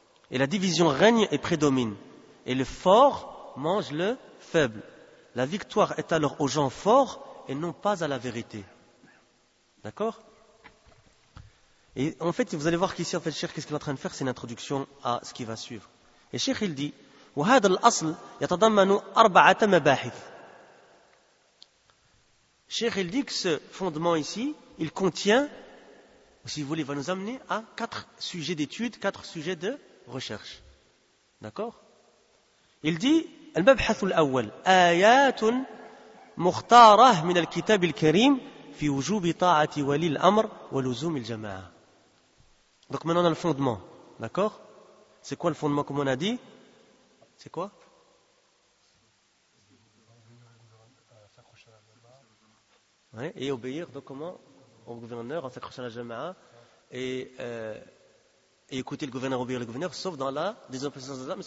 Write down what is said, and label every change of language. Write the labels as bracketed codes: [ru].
[fr] Et la division règne et prédomine. Et le fort mange le faible. La victoire est alors aux gens forts et non pas à la vérité. D'accord? Et en fait, vous allez voir qu'ici, en fait, Cheikh, qu'est-ce qu'il est en train de faire? C'est une introduction à ce qui va suivre. Et Cheikh, il dit, [ar] وَهَذَا الْأَصْلِ يَتَضَمَّنُوا أَرْبَعَةَ مَبَاحِثِ. [fr] Cheikh, il dit que ce fondement ici, il contient, si vous voulez, il va nous amener à quatre sujets d'études, quatre sujets de recherche. D'accord? [ar] Il dit, المبحث الأول آيات مختارة من الكتاب الكريم في وجوب طاعة ولي الأمر ولزوم الجماعة. [fr] Donc maintenant on a le fondement, d'accord? C'est quoi le fondement comme on a dit? C'est quoi? Ouais, et obéir donc comment au gouverneur en s'accrochant à la jama'a et écouter le gouverneur, obéir le gouverneur, sauf dans la désobéissance d'Allah.